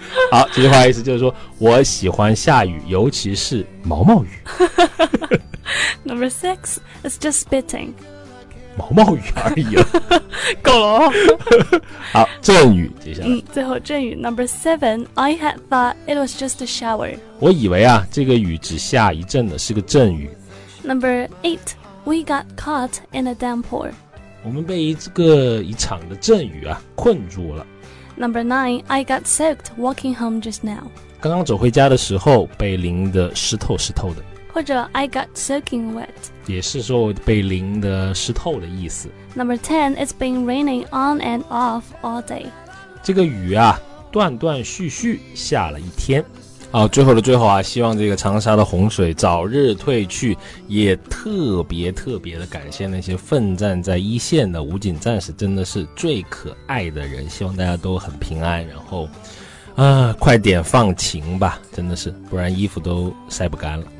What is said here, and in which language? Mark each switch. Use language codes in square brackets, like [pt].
[zh] 好，这句话意思就是说我喜欢下雨，尤其是毛毛雨。 [en] Number six is just spitting. [zh] 毛毛雨而已了。够了。好，阵雨，接下来。最后阵雨 [en] ,Number seven, I had thought it was just a shower. [zh] 我以为啊这个雨只下一阵的，是个阵雨。 [en] Number eight, we got caught in a downpour. [zh] 我们被一场的阵雨啊困住了。 [en] Number nine, I got soaked walking home just now. [zh] 刚刚走回家的时候被淋得湿透湿透的。或者 [en] I got soaking wet. [zh] 也是说被淋得湿透的意思。 [en] Number ten, it's been raining on and off all day. [zh] 这个雨啊断断续续下了一天。好，最后的最后啊，希望这个长沙的洪水早日退去，也特别特别的感谢那些奋战在一线的武警战士，真的是最可爱的人，希望大家都很平安，然后快点放晴吧，真的是，不然衣服都晒不干了，